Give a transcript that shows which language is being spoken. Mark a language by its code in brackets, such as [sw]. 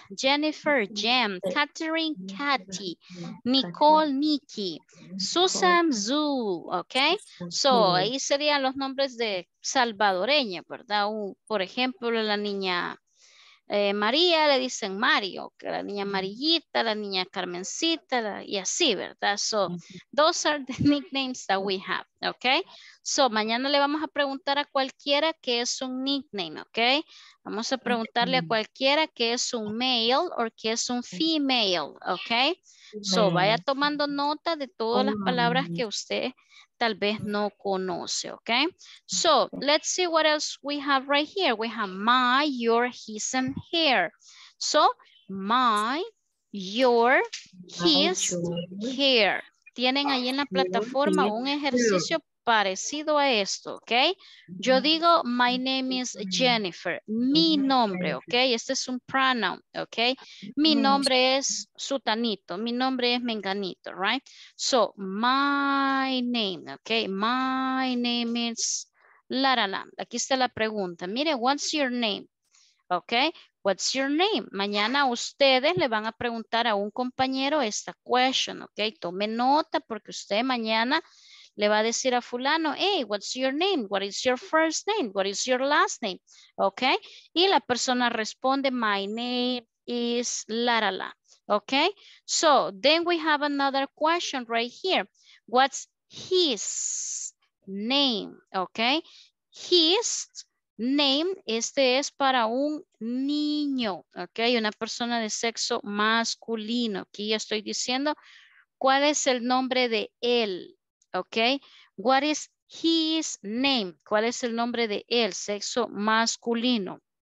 [en] Jennifer, Jem. Catherine, Kathy. Nicole, Nikki. Susan, Zoo. Okay. [es] So, ahí serían los nombres de salvadoreña, ¿verdad? Por ejemplo, la niña María le dicen Mario. La niña Marillita, la niña Carmencita, y así, ¿verdad? [en] So, those are the nicknames that we have. [es] Ok, so mañana le vamos a preguntar a cualquiera qué es un nickname, ok. Vamos a preguntarle a cualquiera qué es un male o qué es un female, ok. So vaya tomando nota de todas las palabras que usted tal vez no conoce, ok. [en] So let's see what else we have right here. We have my, your, his and her. So my, your, his, her. [es] Tienen ahí en la plataforma un ejercicio parecido a esto, ¿ok? Yo digo, [en] my name is Jennifer. [es] Mi nombre, ¿ok? Este es un pronoun, ¿ok? Mi nombre es Sutanito. Mi nombre es Menganito, right? [en] So, my name, [es] ¿ok? [en] My name is Larala. [es] Aquí está la pregunta. [en] Mire, what's your name? ¿Ok? What's your name? [es] Mañana ustedes le van a preguntar a un compañero esta question, ¿ok? Tome nota porque usted mañana le va a decir a fulano, [en] hey, what's your name? What is your first name? What is your last name? ¿Ok? [es] Y la persona responde, [en] my name is Larala. ¿Ok? So, then we have another question right here. What's his name? ¿Ok? His name, [es] este es para un niño, ok, una persona de sexo masculino. Aquí ya estoy diciendo, ¿cuál es el nombre de él? [en] Ok, what is his name? [es] ¿Cuál es el nombre de él, sexo masculino?